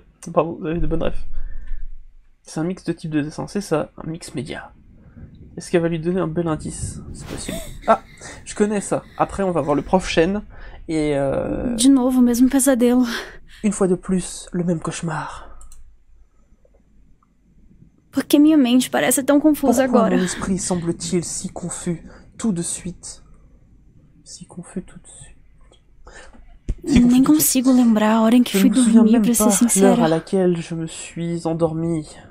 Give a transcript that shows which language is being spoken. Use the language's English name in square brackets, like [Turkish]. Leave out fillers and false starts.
[French] Bravo, vous avez de bonnes refs. C'est un mix de type de dessin, c'est ça, un mix média. Est-ce qu'elle va lui donner un bel indice? C'est possible. Ah, je connais ça. Après, on va voir le prof Shen et... [Portuguese] De novo, mesmo pesadelo. [French] Une fois de plus, le même cauchemar. [Portuguese] Porque minha mente parece tão confusa [French] Pourquoi [Portuguese] agora? [French] Mon esprit semble-t-il si confus tout de suite? Si confus tout de suite. [Portuguese] Nem consigo lembrar a hora em que fui dormir, pra ser sincera. [French] Je me souviens même pas l'heure à laquelle je me suis endormi.